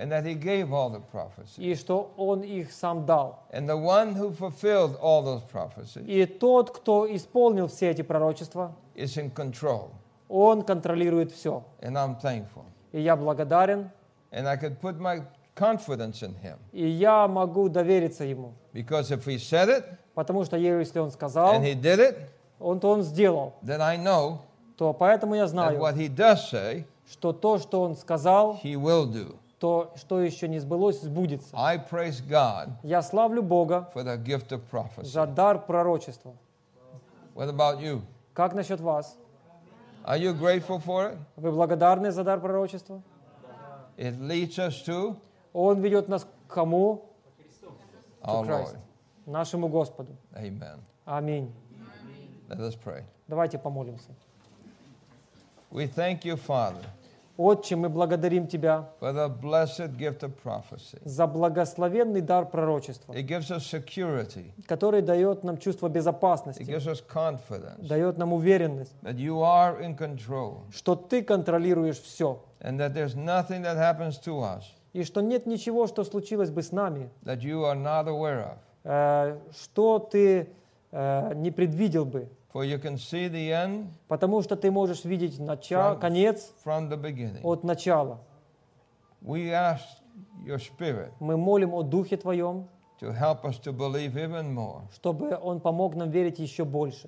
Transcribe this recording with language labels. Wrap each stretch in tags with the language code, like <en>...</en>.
<en>and that He gave all the prophecies,</en> <ru>и что Он их сам дал.</ru> <en>And the one who fulfilled all those prophecies,</en> <ru>и тот, кто исполнил все эти пророчества,</ru> <en>is in control.</en> <ru>Он контролирует все.</ru> <en>And I'm thankful.</en> <ru>И я благодарен.</ru> <en>And I could put my confidence in Him.</en> <ru>И я могу довериться Ему.</ru> <en>Because if He said it,</en> <ru>потому что если Он сказал,</ru> <en>and He did it,</en> <ru>он, то Он сделал,</ru> <en>then I know,</en> <ru>то поэтому я знаю,</ru> <en>what he does say,</en> <ru>что то, что Он сказал,</ru> <en>he will do.</en> <ru>То, что еще не сбылось, сбудется.</ru> <en>I praise God,</en> <ru>я славлю Бога,</ru> <en>for the gift of prophecy,</en> <ru>за дар пророчества.</ru> <en>What about you?</en> <ru>Как насчет вас?</ru> <en>Are you grateful for it?</en> <ru>Вы благодарны за дар пророчества?</ru> <en>It leads us to,</en> <ru>Он ведет нас к кому?</ru> <en>To our Christ, Lord.</en> <ru>Нашему Господу.</ru> <en>Amen.</en> <ru>Аминь.</ru> <en>Let us pray.</en> <ru>Давайте помолимся.</ru> <en>We thank you, Father,</en> <ru>Отче, мы благодарим Тебя,</ru> <en>for the blessed gift of prophecy,</en> <ru>за благословенный дар пророчества.</ru> <en>It gives us security,</en> <ru>который дает нам чувство безопасности.</ru> <en>It gives us confidence,</en> <ru>дает нам уверенность,</ru> <en>that you are in control,</en> <ru>что Ты контролируешь все,</ru> <en>and that there's nothing that happens to us,</en> <ru>и что нет ничего, что случилось бы с нами,</ru> <en>that you are not aware of,</en> <ru>что Ты не предвидел бы.</ru> <en>For you can see the end,</en> <ru>потому что ты можешь видеть начало, конец,</ru> <en>from the beginning,</en> <ru>от начала.</ru> <en>We ask your spirit,</en> <ru>мы молим о Духе Твоем,</ru> <en>to help us to believe even more,</en> <ru>чтобы Он помог нам верить еще больше.</ru>